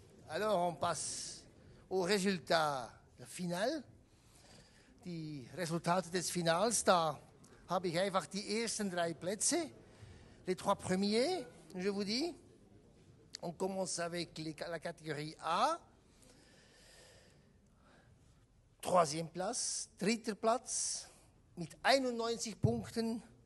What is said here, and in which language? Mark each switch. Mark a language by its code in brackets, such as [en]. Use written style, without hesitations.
[fr] Alors, on passe au résultat final. [de] Die Resultate des Finals, da habe ich einfach die ersten drei Plätze. [fr] Les trois premiers, je vous dis. On commence avec la catégorie A. Troisième place, [de] dritter Platz mit 91 Punkten.